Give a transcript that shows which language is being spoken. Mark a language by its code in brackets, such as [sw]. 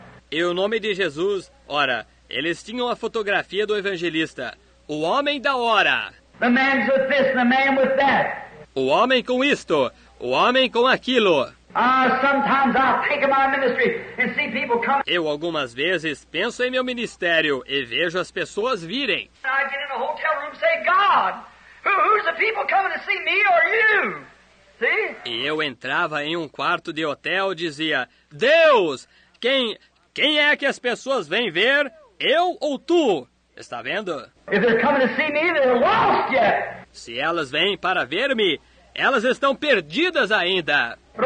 [pt] E o nome de Jesus... Ora, eles tinham a fotografia do evangelista, o homem da hora. [en] The man with this, the man with that. [pt] O homem com isto, o homem com aquilo. [en] Sometimes I'll think of my ministry and see people come. [pt] Eu algumas vezes penso em meu ministério e vejo as pessoas virem. [en] I get in a hotel room, say, God, who's the people coming to see me or you? See? [pt] E eu entrava em um quarto de hotel e dizia, Deus, quem é que as pessoas vêm ver, eu ou tu? Está vendo? [en] If they're coming to see me, they're lost yet. [pt] Se elas vêm para ver-me, elas estão perdidas ainda.